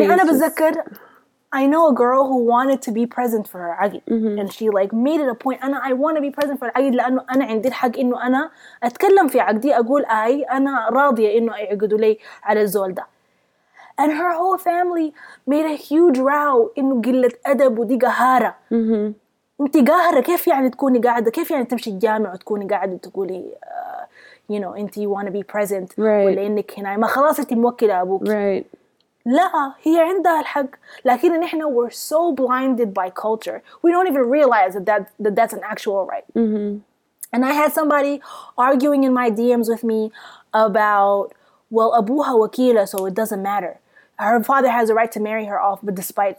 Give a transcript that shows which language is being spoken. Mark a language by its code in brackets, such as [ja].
[ar] يعني أنا بذكر, [en] I know a girl who wanted to be present for her عقد, mm-hmm. and she like made it a point. [ar] أنا [en] I want to be present for [ar] العقد لأنه أنا عندي الحق إنه أنا أتكلم في عقدي أقول أي أنا راضية إنه أعقد لي على الزول ده. [en] And her whole family made a huge row [ar] إنه قلة أدب ودي قهارة. Mm-hmm. أنت قهارة كيف يعني تكوني قاعدة كيف يعني تمشي الجامعة وتكوني قاعدة تقولي [en] you know, and you want to be present. Right. [ar] ولا إنك هنا ما خلاص أنتي موكلة أبوك. [en] Right. [ar] لا هي عندها الحق. لكن نحن [en] we're so blinded by culture. We don't even realize that's an actual right. Mm-hmm. And I had somebody arguing in my DMs with me about, well, [ar] أبوها وكيلة, [en] so it doesn't matter. Her father has a right to marry her off, but despite